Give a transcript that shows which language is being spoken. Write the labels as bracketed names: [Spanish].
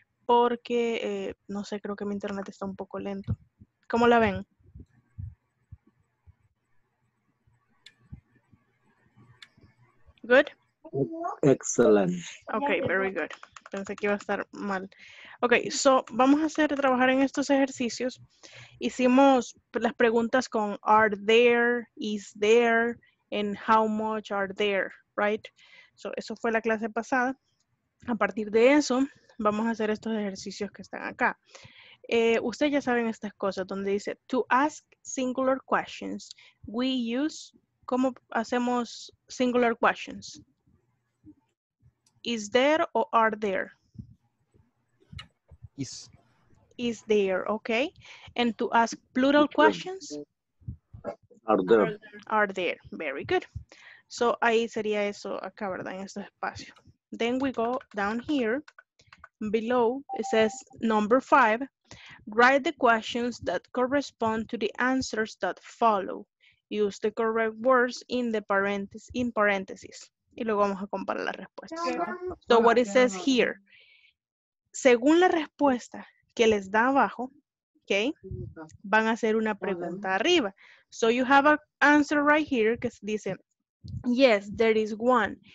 [Spanish] porque, no sé, creo que mi internet está un poco lento. ¿Cómo la ven? [English] ¿Good? Excellent. Ok, very good. [Spanish] Pensé que iba a estar mal. Ok, so vamos a hacer trabajar en estos ejercicios. Hicimos las preguntas con [English] are there, is there, and how much are there, right? [Spanish] So eso fue la clase pasada. A partir de eso, vamos a hacer estos ejercicios que están acá. Ustedes ya saben estas cosas donde dice [English] to ask singular questions, we use, [Spanish] ¿cómo hacemos singular questions? [English] Is there o are there? Is there, okay. And to ask plural questions? Are there, very good. [Spanish] So ahí sería eso acá, ¿verdad? En este espacio. [English] Then we go down here. Below, it says number 5. Write the questions that correspond to the answers that follow. Use the correct words in the parentheses. [Spanish] Y luego vamos a comparar las respuestas. [English] So what it says here. [Spanish] Según la respuesta que les da abajo, okay, van a hacer una pregunta arriba. [English] So you have an answer right here [Spanish] que dice, [English] yes, there is one.